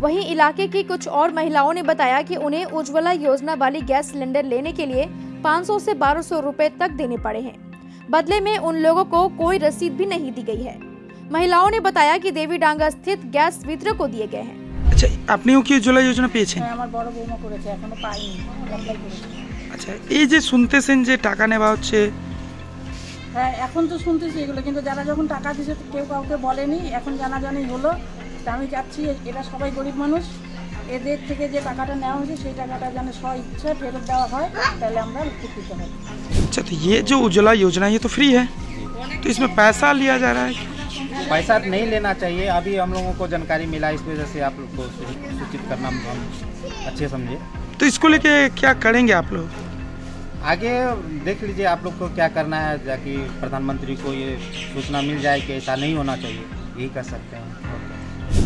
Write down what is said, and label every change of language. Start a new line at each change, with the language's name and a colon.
Hindi: वहीं इलाके की कुछ और महिलाओं ने बताया कि उन्हें उज्ज्वला योजना वाली गैस सिलेंडर लेने के लिए 500 से 1200 रुपए तक देने पड़े हैं, बदले में उन लोगों को कोई रसीद भी नहीं दी गई है। महिलाओं ने बताया कि देवी डांगा स्थित गैस वितरक को दिए गए हैं। अच्छा, आपने की उज्ज्वला योजना पे
Bangla: छे? আমার বড় বৌমা করেছে, এখনো পাইনি। আচ্ছা, এই যে শুনতেছেন যে টাকা নেওয়া হচ্ছে? হ্যাঁ, এখন তো শুনতেছি এগুলো, কিন্তু যারা যখন টাকা দিয়েছে কেউ কাউকে বলেনি, এখন জানা জানি হলো। তা আমি চাচ্ছি এরা সবাই গরিব মানুষ, এদের থেকে যে টাকাটা নেওয়া হয়েছে সেই টাকাটা যেন স্ব ইচ্ছা ফেরত দেওয়া হয়, তাহলে আমরা উপকৃত হব। আচ্ছা, তো
Hindi: ये जो उज्ज्वला योजना है तो फ्री है, तो इसमें पैसा लिया जा रहा है? पैसा नहीं लेना चाहिए, अभी हम लोगों को जानकारी मिला, इस वजह से आप लोग को सूचित करना हम अच्छे समझे। तो इसको लेके क्या करेंगे आप लोग आगे? देख लीजिए आप लोग को क्या करना है, ताकि प्रधानमंत्री को ये सूचना मिल जाए कि ऐसा नहीं होना चाहिए, यही कर सकते हैं।